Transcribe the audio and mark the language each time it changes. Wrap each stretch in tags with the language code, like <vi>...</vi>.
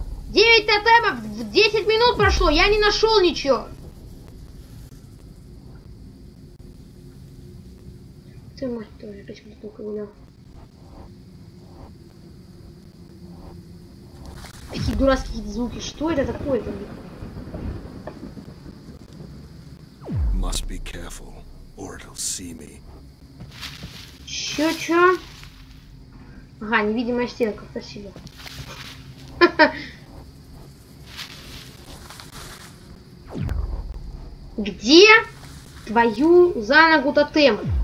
<ru>9 тотемов, 10 минут прошло, я не нашел ничего. Ты мать твою, я почему-то плохо гулял. Такие дурацкие звуки, что это такое там?</ru> <en>Must be careful, or it'll see me.</en> <ru>Чё-чё? Ага, невидимая стенка, спасибо. Где твою за ногу тотем?</ru>